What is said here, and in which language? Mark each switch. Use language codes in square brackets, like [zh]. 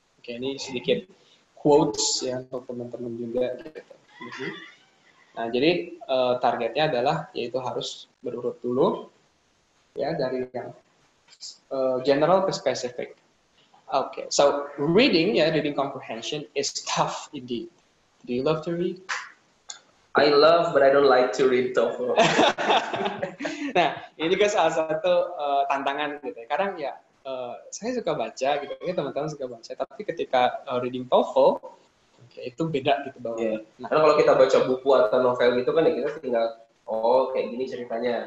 [id] Oke, okay, ini sedikit quotes ya untuk teman-teman juga. Gitu. Nah, jadi targetnya adalah yaitu harus berurut dulu ya dari yang general ke spesifik. Oke, okay. [en] So reading ya, reading comprehension is tough indeed. Do you love to read? I love, but I don't like to read TOEFL. [id] Nah, ini kan salah satu tantangan gitu. Kadang ya, saya suka baca gitu. Ini teman-teman suka baca, tapi ketika [en] reading TOEFL, [id] okay, itu beda gitu bahwa. Yeah. Nah, karena kalau kita baca buku atau novel gitu kan ya kita tinggal, oh kayak gini ceritanya.